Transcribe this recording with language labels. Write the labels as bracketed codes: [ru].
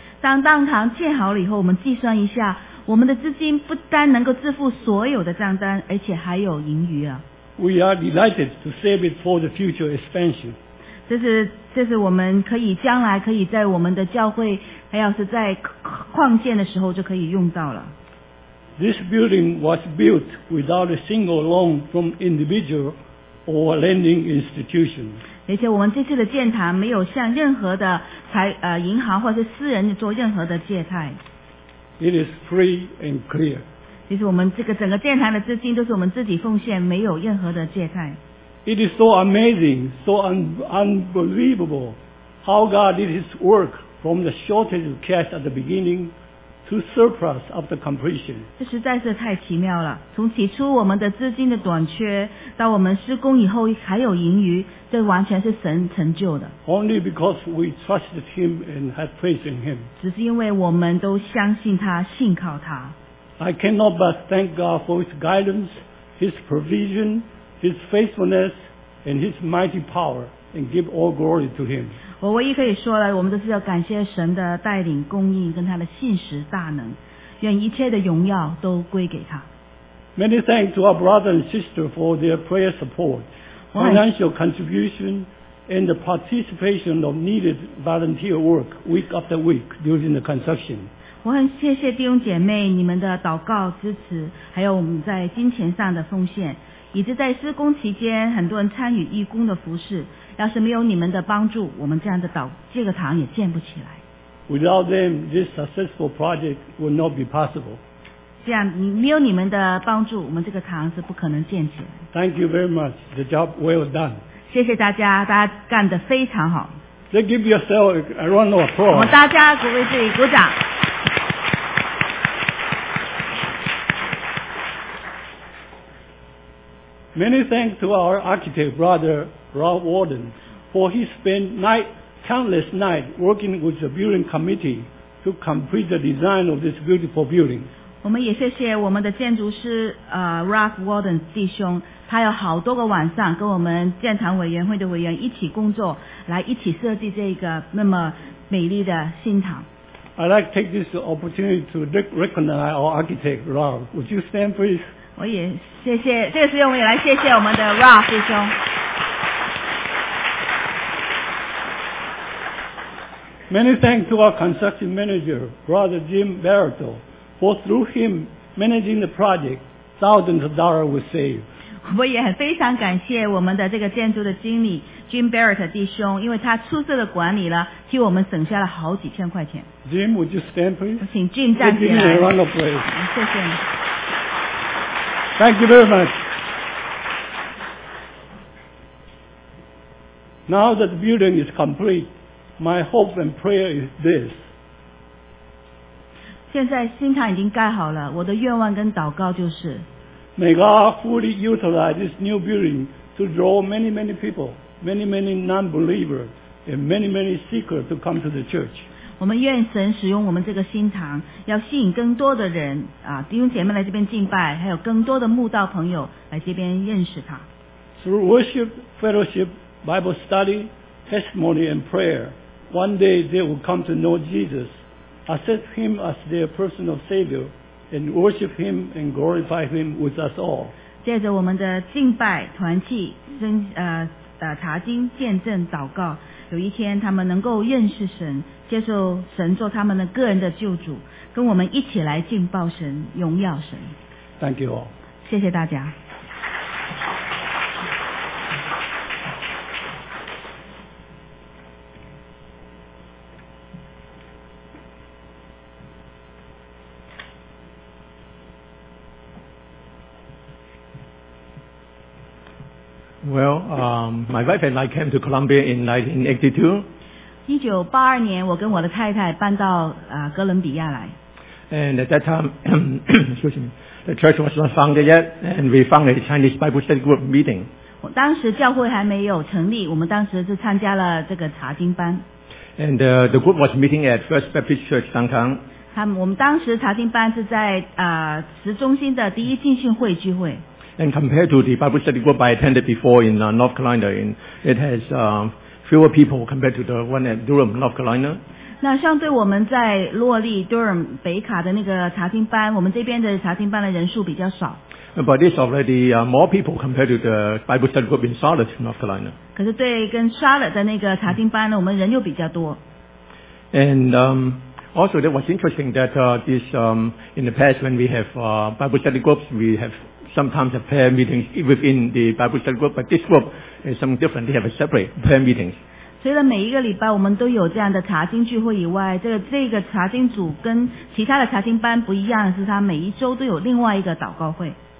[zh] 当当堂建好了以后，我们计算一下，我们的资金不单能够支付所有的账单，而且还有盈余啊。 [en] We are delighted to save it for the future expansion. [zh] 这是我们可以将来可以在我们的教会，还要是在扩建的时候就可以用到了。 [en] This building was built without a single loan from individual or lending institution. [zh] 而且我们这次的建堂没有向任何的银行或是私人做任何的借贷。 [en] It is free and clear. [zh] 其实我们这个整个建堂的资金都是我们自己奉献，没有任何的借贷。 [en] It is so amazing, so unbelievable how God did His work from the shortage of cash at the beginning. To surplus after completion. [zh] 这实在是太奇妙了。从起初我们的资金的短缺，到我们施工以后还有盈余，这完全是神成就的。 [en] Only because we trusted him and had faith in him. [zh] 只是因为我们都相信他，信靠他。 [en] I cannot but thank God for his guidance, his provision, his faithfulness, and his mighty power, and give all glory to him. [zh] 我唯一可以说了，我们都是要感谢神的带领供应跟他的信实大能，愿一切的荣耀都归给他。 [en] Many thanks to our brother and sister for their prayer support, financial contribution, and the participation of needed volunteer work week after week during the construction. [zh] 我很谢谢弟兄姐妹你们的祷告支持，还有我们在金钱上的奉献，以及在施工期间很多人参与义工的服事。要是没有你们的帮助，我们这样的岛这个堂也建不起来。 [en] Without them, this successful project would not be possible. [zh] 这样，没有你们的帮助，我们这个堂是不可能建起来。 [en] Thank you very much. The job well done. [zh] 谢谢大家，大家干得非常好。 [en] They give yourself a round of applause. [zh] 我们大家鼓励自己鼓掌。 [en] Many thanks to our architect brother. Rob Warden, for he spent countless nights working with the building committee to complete the design of this beautiful building. [zh] 我们也谢谢我们的建筑师Rob Warden 弟兄，他有好多个晚上跟我们建堂委员会的委员一起工作，来一起设计这个那么美丽的新堂。 [en] I'd like to take this opportunity to recognize our architect Rob. Would you stand, please? [zh] 我也谢谢，这个时间我们也来谢谢我们的 Ralph 弟兄。 [en] Many thanks to our construction manager, Brother Jim Barreto, for through him managing the project, thousands of dollars were saved. [zh] 我也很非常感谢我们的这个建筑的经理 Jim Barreto 弟兄，因为他出色的管理了，替我们省下了好几千块钱。 [en] Jim, would you stand, please? [zh] 请 Jim 站起来。 [en] Give him a round of applause. [zh] 谢谢你。 [en] Thank you very much. Now that the building is complete, my hope and prayer is this. [zh] 现在新堂已经盖好了，我的愿望跟祷告就是 [en] May God fully utilize this new building to draw many, many people, many, many non-believers, and many, many seekers to come to the church. [zh] 我们愿神使用我们这个新堂，要吸引更多的人啊，弟兄姐妹来这边敬拜，还有更多的慕道朋友来这边认识他。 [en] Through worship, fellowship, Bible study, testimony, and prayer, one day they will come to know Jesus, accept Him as their personal Savior, and worship Him and glorify Him with us all. [zh] 借着我们的敬拜、团契、查经、见证、祷告，有一天他们能够认识神，接受神做他们的个人的救主，跟我们一起来敬拜神、荣耀神。 [en] Thank you all. [zh] 谢谢大家。 [en] Well, my wife and I came to Colombia in 1982. [zh] 1982年，我跟我的太太搬到哥伦比亚来。 [en] And at that time, excuse me, the church was not founded yet, and we founded a Chinese Bible study group meeting. [zh] 我当时教会还没有成立，我们当时是参加了这个查经班。 [en] And the group was meeting at First Baptist Church downtown. [zh] 我们当时查经班是在市中心的第一浸信会聚会。 [en] And compared to the Bible study group I attended before in North Carolina, it has fewer people compared to the one at Durham, North Carolina. [zh] 那相对我们在洛利 Durham 北卡的那个查经班，我们这边的查经班的人数比较少。 [en] But it's already more people compared to the Bible study group in Charlotte, North Carolina. [zh] 可是对跟 Charlotte 的那个查经班呢，我们人又比较多。 [en] And also, that was interesting that this in the past when we have Bible study groups, we have sometimes have prayer meetings within the Bible study group, but this group is something different. They have a separate prayer meetings. [zh] 除了每一个礼拜我们都有这样的查经聚会以外，这个查经组跟其他的查经班不一样，是他每一周都有另外一个祷告会。